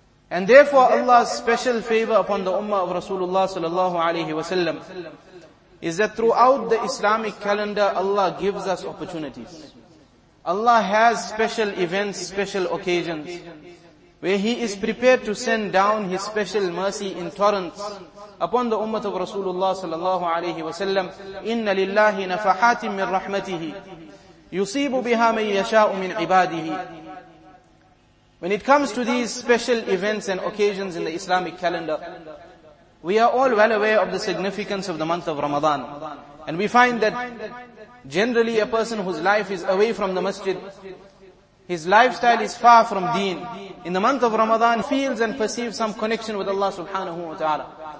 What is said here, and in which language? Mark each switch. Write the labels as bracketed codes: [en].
[en] And therefore Allah's special favor upon the ummah of Rasulullah sallallahu alayhi wa sallam is that throughout the Islamic calendar, Allah gives us opportunities. Allah has special events, special occasions, where He is prepared to send down His special mercy in torrents upon the ummah of Rasulullah sallallahu alayhi wa sallam. [ar] Inna lillahi nafahatin min rahmatihi يُصِيبُ بِهَا مَنْ يَشَاءُ مِنْ عِبَادِهِ. [en] When it comes to these special events and occasions in the Islamic calendar, we are all well aware of the significance of the month of Ramadan. And we find that generally a person whose life is away from the masjid, his lifestyle is far from deen, in the month of Ramadan feels and perceives some connection with Allah subhanahu wa ta'ala.